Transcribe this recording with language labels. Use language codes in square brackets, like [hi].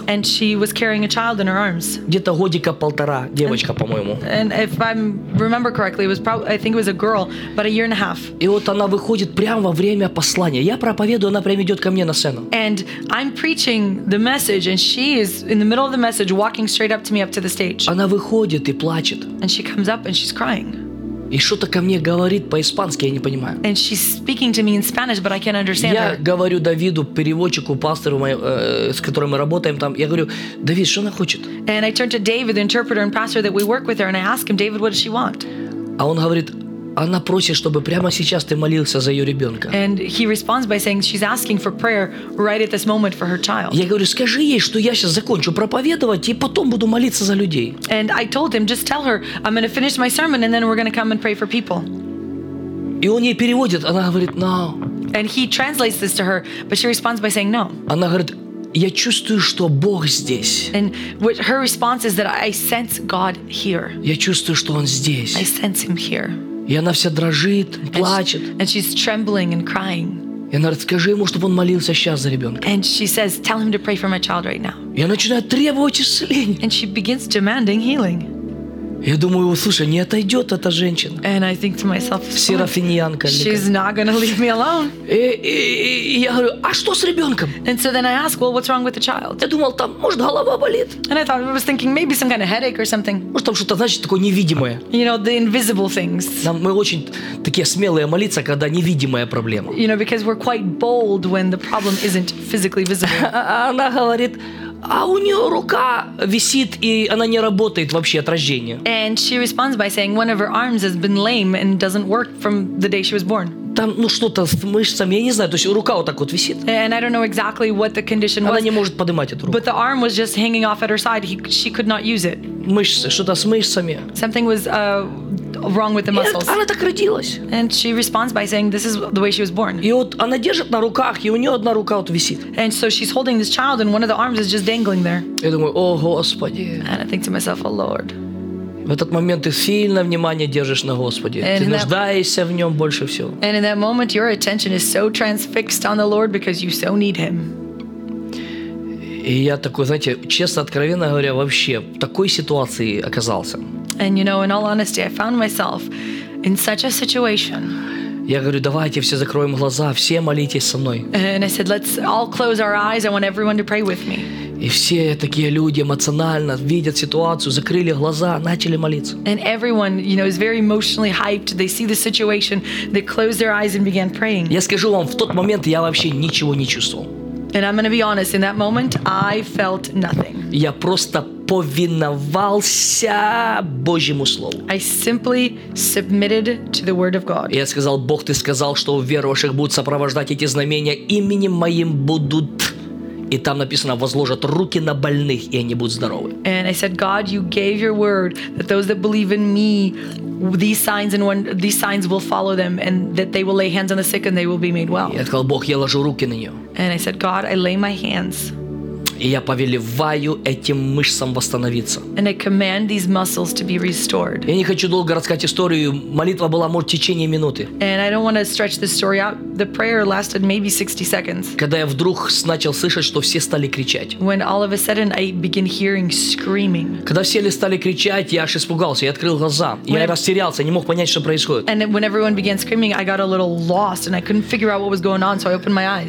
[en] And she was carrying a child in her arms. [ru] Где-то годика полтора девочка, по-моему. [en] And if I remember correctly, it was probably, I think it was a girl, about a year and a half. [ru] И вот она выходит прямо во время послания. Я проповедую, она прямо идет ко мне на сцену. [en] And I'm preaching the message, and she is in the middle of the message, walking straight up to me. To the stage. [ru] Она выходит и плачет. [en] And she comes up and she's crying. [ru] И что-то ко мне говорит по-испански, я не понимаю. [en] And she's speaking to me in Spanish, but I can't understand [ru] я [en] her. [ru] Я говорю Давиду, переводчику, пастору, с которым мы работаем там, я говорю, Давид, что она хочет? [en] And I turn to David, the interpreter and pastor that we work with her, and I ask him, David, what does she want? [ru] А он говорит, она просит, чтобы прямо сейчас ты молился за ее ребенка. [en] And he responds by saying she's asking for prayer right at this moment for her child. [ru] Я говорю, скажи ей, что я сейчас закончу проповедовать и потом буду молиться за людей. [en] And I told him, just tell her I'm going to finish my sermon and then we're going to come and pray for people. [ru] И он ей переводит, она говорит, no. [en] And he translates this to her, but she responds by saying no. [ru] Она говорит, я чувствую, что Бог здесь. [en] And what her response is that I sense God here. [ru] Я чувствую, что Он здесь. [en] I sense Him here. [ru] И она вся дрожит, and плачет. [en] And she's trembling and crying. [ru] И она говорит, скажи ему, чтобы он молился сейчас за ребенка. [en] And she says, tell him to pray for my child right now. [ru] И она начинает требовать исцеления. [en] And she begins demanding healing. [ru] Я думаю, услышь, не отойдет эта женщина. [en] And I think to myself, Серафиньянка. She's not gonna leave me alone. [ru] И я говорю, а что с ребенком? [en] And so then I ask, well, what's wrong with the child? [ru] Я думал, там может голова болит. [en] And I thought, I was thinking maybe some kind of headache or something. [ru] Может там что-то, значит, такое невидимое. [en] You know, the invisible things. [ru] Нам, мы очень такие смелые молиться, когда невидимая проблема. [en] You know, because we're quite bold when the problem isn't physically visible. [ru] Она говорит. А у нее рука висит, и она не работает вообще от рождения. [en] And she responds by saying one of her arms has been lame and doesn't work from the day she was born. [ru] Там, ну, что-то с мышцами, я не знаю, то есть рука вот так вот висит. [en] And I don't know exactly what the condition [ru] она [en] was. [ru] Она не может поднимать эту руку. [en] But the arm was just hanging off at her side. She could not use it. [ru] Мышцы, что-то с мышцами. [en] Something was wrong with the muscles. [ru] Она так родилась. [en] And she responds by saying this is the way she was born. [ru] И вот она держит на руках, и у нее одна рука вот висит. [en] And so she's holding this child and one of the arms is just dangling there. [ru] Я думаю, о, Господи. [en] And I think to myself, oh Lord. [ru] В этот момент ты сильно внимание держишь на Господе. [en] And [ru] ты нуждаешься в Нем больше всего. [en] And in that moment your attention is so transfixed on the Lord because you so need Him. [ru] И я такой, знаете, честно, откровенно говоря, вообще в такой ситуации оказался. [en] And you know, in all honesty, I found myself in such a situation. [ru] Я говорю, давайте все закроем глаза, все молитесь со мной. [en] And I said, let's all close our eyes. I want everyone to pray with me. [ru] И все такие люди эмоционально видят ситуацию, закрыли глаза, начали молиться. [en] And everyone, you know, is very emotionally hyped. They see the situation, they close their eyes and began praying. [ru] Я скажу вам, в тот момент я вообще ничего не чувствовал. [en] And I'm going to be honest, in that moment, I felt nothing. [ru] Я просто повиновался Божьему Слову. [en] I simply submitted to the Word of God. [ru] Я сказал, Бог, Ты сказал, что уверовавших будут сопровождать эти знамения, именем Моим будут... И там написано, возложат руки на больных, и они будут здоровы. [en] And I said, God, You gave Your word that those that believe in Me, these signs will follow them, and that they will lay hands on the sick, and they will be made well. [ru] Я сказал, Бог, я ложу руки на нее. [en] And I said, God, I lay my hands. [ru] И я повелеваю этим мышцам восстановиться. [en] And I command these muscles to be restored. [ru] Я не хочу долго рассказать историю. Молитва была, может, в течение минуты. [en] And I don't want to stretch this story out. The prayer lasted maybe 60 seconds. [ru] Когда я вдруг начал слышать, что все стали кричать. [en] When all of a sudden I begin hearing screaming. [ru] Когда все стали кричать, я аж испугался. Я открыл глаза. Я растерялся, не мог понять, что происходит. [en] And when everyone began screaming, I got a little lost and I couldn't figure out what was going on, so I opened my eyes.